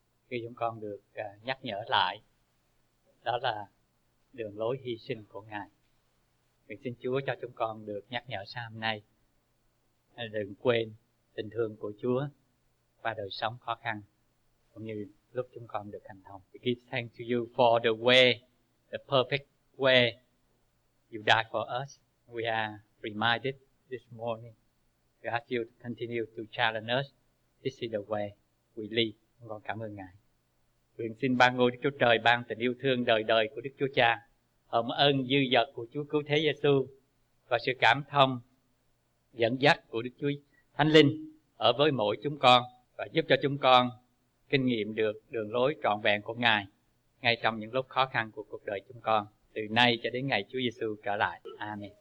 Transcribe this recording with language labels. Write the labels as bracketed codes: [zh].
[vi] Khi chúng con được nhắc nhở lại, đó là đường lối hy sinh của Ngài. Mình xin Chúa cho chúng con được nhắc nhở sáng hôm nay, đừng quên tình thương của Chúa và đời sống khó khăn, cũng như lúc chúng con được hành thông. [en] We give thanks to you for the way, the perfect way you died for us. We are reminded this morning. We ask you to continue to challenge us. This is the way we live. [vi] Chúng con cảm ơn Ngài. Nguyện xin ban ngôi Đức Chúa Trời, ban tình yêu thương đời đời của Đức Chúa Cha, hậm ơn dư dật của Chúa Cứu Thế Giê-xu và sự cảm thông dẫn dắt của Đức Chúa Thánh Linh ở với mỗi chúng con và giúp cho chúng con kinh nghiệm được đường lối trọn vẹn của Ngài ngay trong những lúc khó khăn của cuộc đời chúng con, từ nay cho đến ngày Chúa Giê-xu trở lại. Amen.